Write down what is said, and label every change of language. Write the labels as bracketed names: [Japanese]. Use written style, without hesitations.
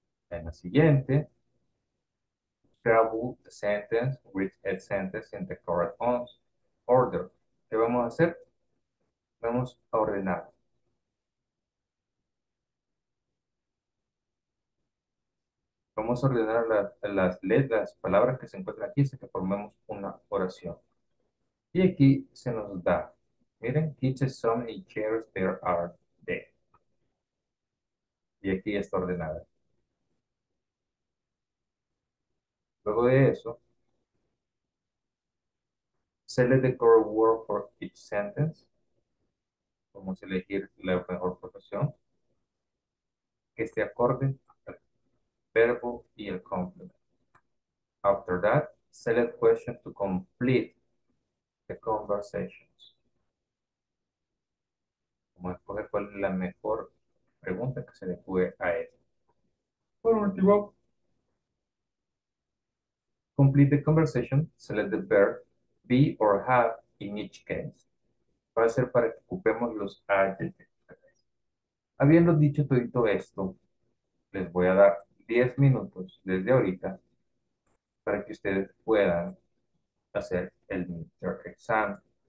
[Spanish] En la siguiente, [English] travel the sentence with a sentence in the correct order. [Spanish] ¿Qué vamos a hacer? Vamos a ordenar. Vamos a ordenar las letras, palabras que se encuentran aquí hasta que formemos una oración. Y aquí se nos da. Miren, [English] kitchen, so many chairs there are there. [Spanish] Y aquí está ordenada. Luego de eso, [English] select the correct word for each sentence. [Spanish] Vamos a elegir la mejor profesión. Que esté acorde al verbo y el complement. [English] After that, select question to complete the conversations. [Spanish] Vamos a escoger cuál es la mejor pregunta que se le puede a él. Por último, [English] complete the conversation, select the verb be or have in each case. [Spanish] Va a ser para que ocupemos los adjectives. Habiendo dicho todo esto, les voy a dar 10 minutos desde ahorita para que ustedes puedan hacer el midterm exam.